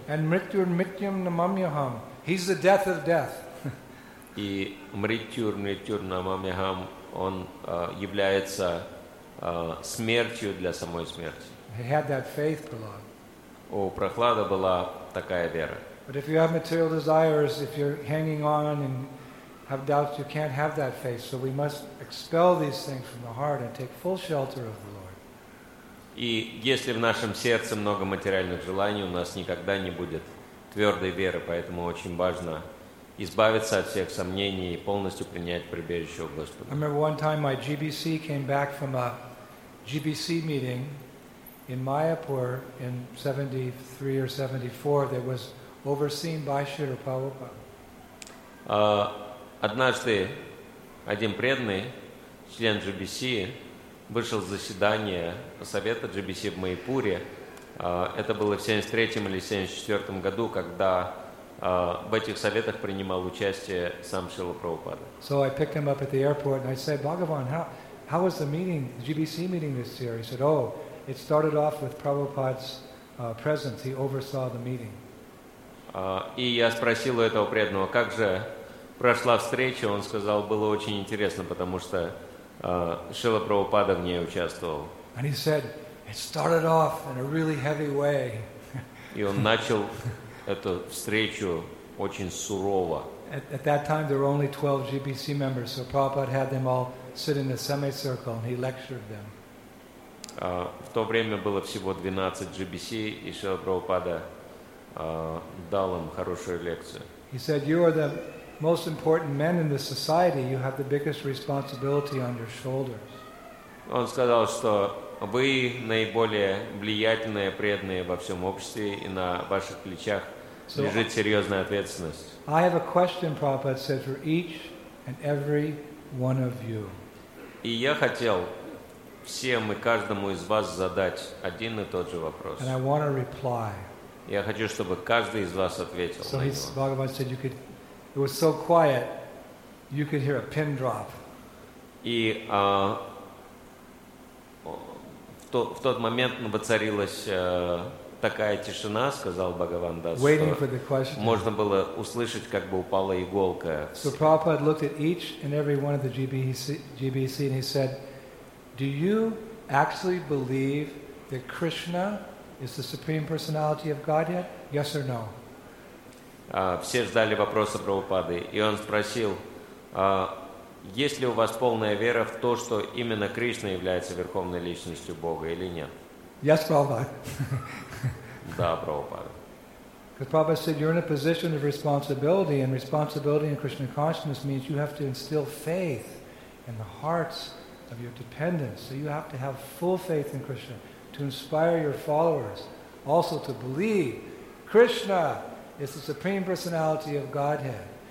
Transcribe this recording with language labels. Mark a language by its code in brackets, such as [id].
[en] And [sa] mrityur mrityum namamyaham. [en] He's the death of death. [ru] И мритюр мритюр намамяхам, он является смертью для самой смерти. [en] He had that faith, Prahlad. [ru] У Прохлада была такая вера. [en] But if you have material desires, if you're hanging on and have doubts, you can't have that faith. So we must expel these things from the heart and take full shelter of the Lord. [ru] И если в нашем сердце много материальных желаний, у нас никогда не будет твердой веры, поэтому очень важно избавиться от всех сомнений и полностью принять прибежище у Господа. [en] I remember one time my GBC came back from a GBC meeting in Mayapur in 73 or 74 that was overseen by Srila Prabhupada. [ru] Однажды один преданный, член GBC, вышел с заседания совета GBC в Майпуре. Это было в 73 или 74 году, когда в этих советах принимал участие сам Шрила Прабхупада. [en] So I picked him up at the airport and I said, Bhagavan, how was the meeting, the GBC meeting this year? He said, oh, it started off with Prabhupada's presence. He oversaw the meeting. [ru] И я спросил у этого преданного, как же прошла встреча? Он сказал, было очень интересно, потому что Шрила Прабхупада в ней участвовал. [en] And he said, it started off in a really heavy way. [ru] И он начал эту встречу очень сурово. [en] At that time there were only 12 GBC members, so Prabhupada had them all sit in a semicircle and he lectured them. [ru] В то время было всего 12 GBC, и Шрила Прабхупада дал им хорошую лекцию. [en] He said, you are the most important men in the society, you have the biggest responsibility on your shoulders. [ru] Он сказал, что вы наиболее влиятельные преданные во всем обществе, и на ваших плечах лежит серьезная ответственность. [en] I have a question, Prabhupada said, for each and every one of you. [ru] И я хотел всем и каждому из вас задать один и тот же вопрос. [en] And I want to reply. [ru] Я хочу, чтобы каждый из вас ответил на него. [en] So Bhagavan said, you could. It was so quiet, you could hear a pin drop. [ru] И в тот момент воцарилась такая тишина, сказал Бхагаван Дас, можно было услышать, как бы упала иголка. [en] So Prabhupada looked at each and every one of the GBC and he said, do you actually believe that Krishna is the Supreme Personality of Godhead? Yes or no? [ru] Все ждали вопроса Прабхупады, и он спросил, есть ли у вас полная вера в то, что именно Кришна является Верховной Личностью Бога или нет? [en] Yes, Prabhupada. [ru] Да, Прабхупада. [en] Because Prabhupada said you're in a position of responsibility, and responsibility in Krishna consciousness means you have to instill faith in the hearts of your dependents. So you have to have full faith in Krishna to inspire your followers also to believe Krishna is the Supreme Personality of Godhead.